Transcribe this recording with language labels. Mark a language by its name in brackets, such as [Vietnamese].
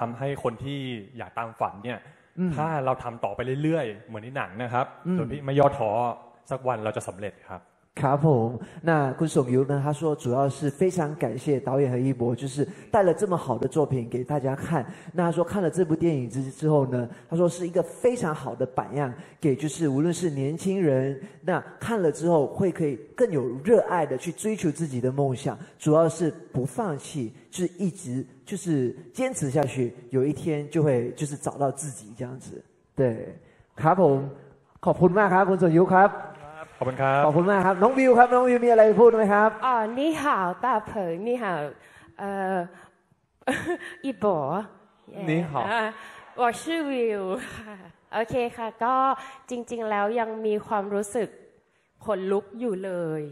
[Thai] ทำให้คนที่อยากตามฝันเนี่ยถ้าเราทำต่อไปเรื่อยๆเหมือนในหนังนะครับจนที่ไม่ย่อท้อสักวันเราจะสำเร็จครับ ครับผม [Chinese] 那คุณสงยุทธ์呢他说主要是非常感谢导演和一博就是带了这么好的作品给大家看那他说看了这部电影之后呢他说是一个非常好的榜样给就是无论是年轻人那看了之后会可以更有热爱的去追求自己的梦想主要是不放弃就是一直就是坚持下去有一天就会就是找到自己这样子对 [Thai] ครับผมขอบคุณมากครับคุณสงยุทธ์ครับ ขอบคุณครับ ขอบคุณมากครับน้องวิวครับน้องวิวมีอะไรพูดไหมครับ [Chinese] อ๋อนี่ฮาวตาเผยนี่ฮาวอีโบ นี่ฮา [Thai] ว [Chinese] 我是 [Thai] วิวโอเคค่ะก็จริงๆแล้วยังมีความรู้สึกขนลุกอยู่เลย